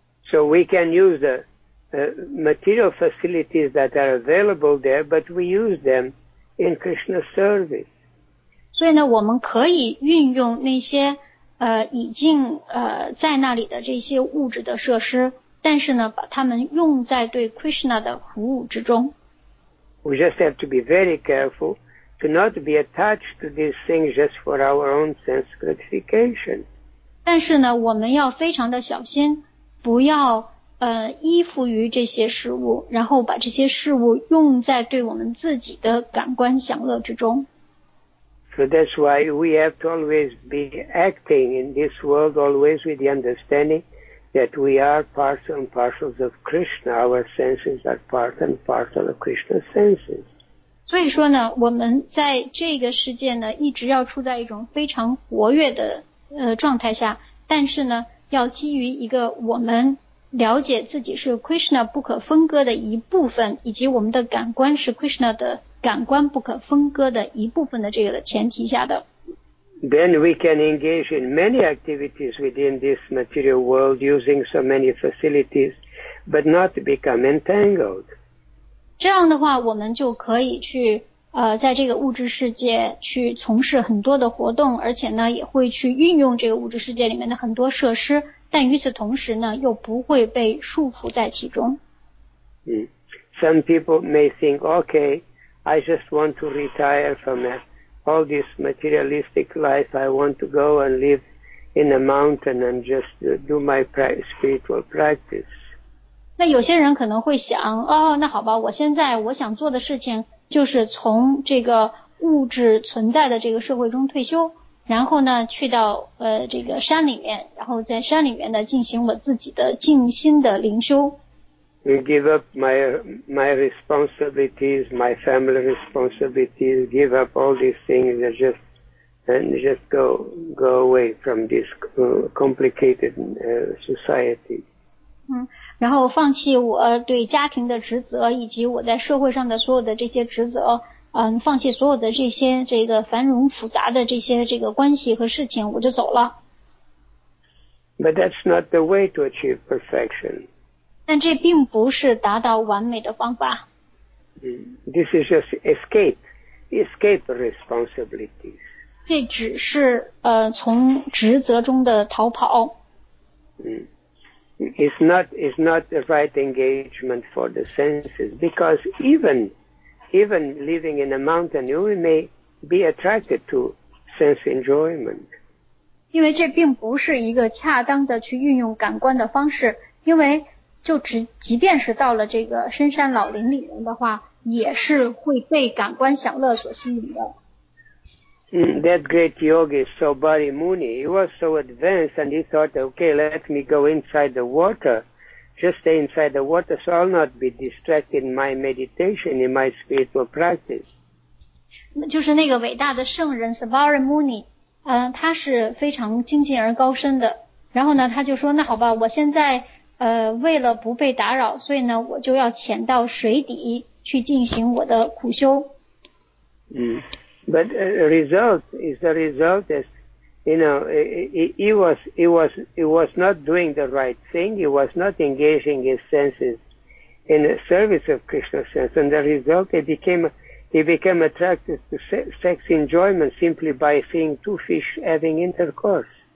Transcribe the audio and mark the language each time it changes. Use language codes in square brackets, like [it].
[en] So we can use the material facilities that are available there, but we use them in Krishna's service. [zh] 所以呢，我们可以运用那些已经在那里的这些物质的设施，但是呢，把它们用在对 Krishna 的服务之中。 [en] We just have to be very careful to not be attached to these things just for our own sense gratification. [zh] 但是呢，我们要非常的小心，不要依附于这些事物，然后把这些事物用在对我们自己的感官享乐之中。 [en] So that's why we have to always be acting in this world always with the understanding that we are parts and parcels of Krishna. Our senses are part and parcel of Krishna's senses. [zh] 所以说呢，我们在这个世界呢，一直要处在一种非常活跃的状态下，但是呢，要基于一个我们了解自己是 Krishna 不可分割的一部分，以及我们的感官是 Krishna 的感官不可分割的一部分的这个前提下的。 [en] Then we can engage in many activities within this material world using so many facilities, but not become entangled. [zh] 这样的话，我们就可以去在这个物质世界去从事很多的活动，而且呢，也会去运用这个物质世界里面的很多设施。但与此同时呢，又不会被束缚在其中。 [en] Some people may think, okay, I just want to retire from all this materialistic life. I want to go and live in a mountain and just do my spiritual practice. [zh] 那有些人可能会想，哦，那好吧，我现在我想做的事情就是从这个物质存在的这个社会中退休。然后呢，去到这个山里面，然后在山里面呢进行我自己的静心的灵修。 [en] You give up my responsibilities, my family responsibilities, give up all these things and just go away from this complicated society. [zh] 然后放弃我对家庭的职责以及我在社会上的所有的这些职责。放弃所有的这些这个繁荣复杂的这些这个关系和事情，我就走了。 [en] But that's not the way to achieve perfection. [zh] 但这并不是达到完美的方法。 [en] This is just escape responsibilities. [zh] 这只是从职责中的逃跑。 [en] It's not the right engagement for the senses, because even living in a mountain, you may be attracted to sense enjoyment. [zh] 因为这并不是一个恰当的去运用感官的方式，因为就即便是到了这个深山老林里面的话，也是会被感官享乐所吸引的。 [en] That great yogi, Sobari Muni, he was so advanced and he thought, okay, let me go inside the water. Just stay inside the water, so I'll not be distracted in my meditation, in my spiritual practice. [zh] 就是那个伟大的圣人 Sabari Muni, 他是非常精进而高深的。然后呢，他就说，那好吧，我现在为了不被打扰，所以呢，我就要潜到水底去进行我的苦修。 [en] But the result is the result is. You know, he was not doing the right thing. He was not engaging his senses in the service of Krishna's sense. And the result, he became attracted to sex enjoyment simply by seeing two fish having intercourse.